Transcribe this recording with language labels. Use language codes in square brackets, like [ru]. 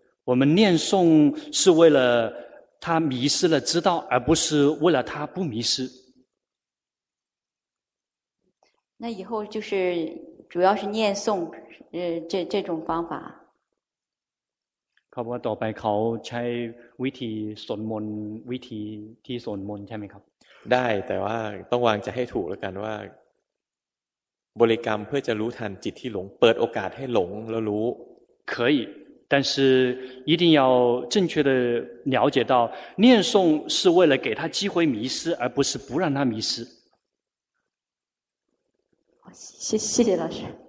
[zh] 我们念诵是为了他迷失了知道而不是为了他不迷失那以后就是主要是念诵这种方法 [th] ครับว่าต่อไปเขาใช้วิธีสวดมนต์วิธีที่สวดมนต์ใช่ไหมครับ ได้แต่ว่าต้องวางใจให้ถูกแล้วกันว่าบริกรรมเพื่อจะรู้ทันจิตที่หลงเปิดโอกาสให้หลงแล้วรู้ [zh] 可以但是一定要正确的了解到念诵是为了给他机会迷失而不是不让他迷失谢谢老师。